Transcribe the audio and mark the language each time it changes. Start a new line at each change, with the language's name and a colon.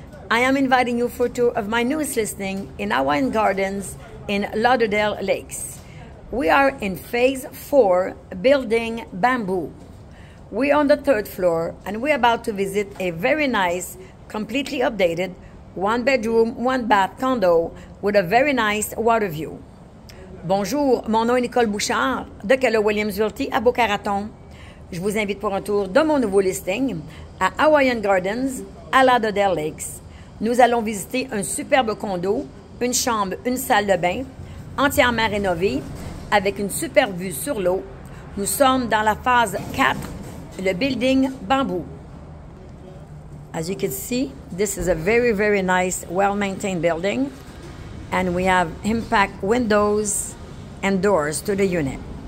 English: I am inviting you for a tour of my newest listing in our wine gardens in Lauderdale Lakes. We are in phase four, building bamboo. We're on the third floor and we're about to visit a very nice, completely updated, one bedroom, one bath condo with a very nice water view.
French: Bonjour, mon nom est Nicole Bouchard de Keller Williams Realty à Boca Raton. Je vous invite pour un tour de mon nouveau listing à Hawaiian Gardens à Lauderdale Lakes. Nous allons visiter un superbe condo, une chambre, une salle de bain, entièrement rénovée, avec une superbe vue sur l'eau. Nous sommes dans la phase 4, le building bamboo.
English: As you can see, this is a very, very nice, well-maintained building. And we have impact windows and doors to the unit.